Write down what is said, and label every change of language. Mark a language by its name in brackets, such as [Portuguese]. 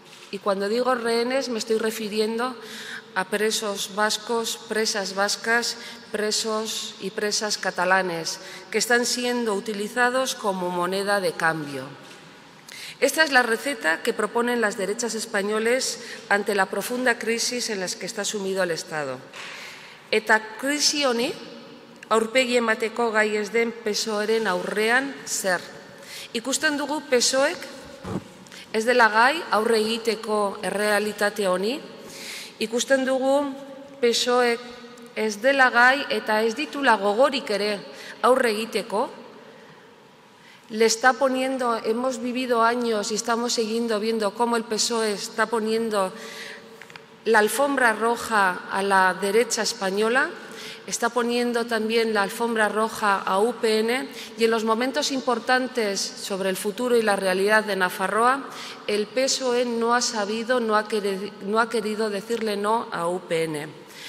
[Spanish] Y cuando digo rehenes me estoy refiriendo a presos vascos, presas vascas, presos y presas catalanes, que están siendo utilizados como moneda de cambio. Esta es la receta que proponen las derechas españoles ante la profunda crisis en la que está sumido el Estado. [Basque] Eta krisi honi, aurpegi emateko gai ez den PSOEren aurrean zer. Ikusten dugu PSOEk ez dela gai aurre egiteko errealitate honi. Ikusten dugu PSOEk ez dela gai eta ez ditula gogorik ere aurre egiteko. [Spanish] Le está poniendo, hemos vivido años y estamos siguiendo viendo cómo el PSOE está poniendo la alfombra roja a la derecha española, está poniendo también la alfombra roja a UPN y en los momentos importantes sobre el futuro y la realidad de Nafarroa, el PSOE no ha sabido, no ha querido decirle no a UPN.